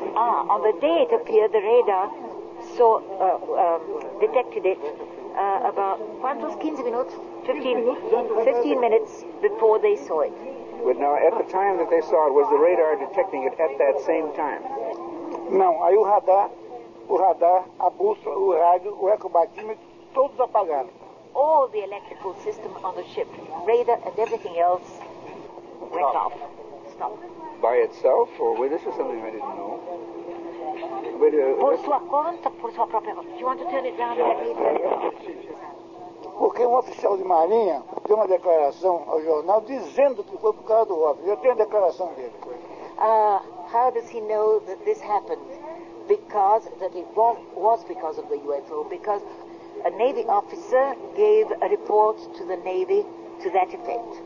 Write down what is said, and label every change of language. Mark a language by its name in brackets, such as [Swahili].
[English] Ah, on the day it appeared, the radar saw, detected it about, quantos 15 minutes? 15 minutes before they saw it. But now, at the time that they saw it, was the radar detecting it at that same time? [Portuguese] Não, aí o radar, a bússola, o rádio, o ecobatímetro, todos apagaram. [English] All the electrical system on the ship, radar and everything else, went off. By itself, or with this, or something I didn't know. But, [Portuguese] por sua conta, por sua própria conta. [English] Do you want to turn it around and let me turn it around? [Portuguese] Porque oficial de marinha deu uma declaração ao jornal dizendo que foi por causa do OVNI. Eu tenho a declaração dele. [English] How does he know that this happened? Because that it was because of the UFO. Because a Navy officer gave a report to the Navy to that effect.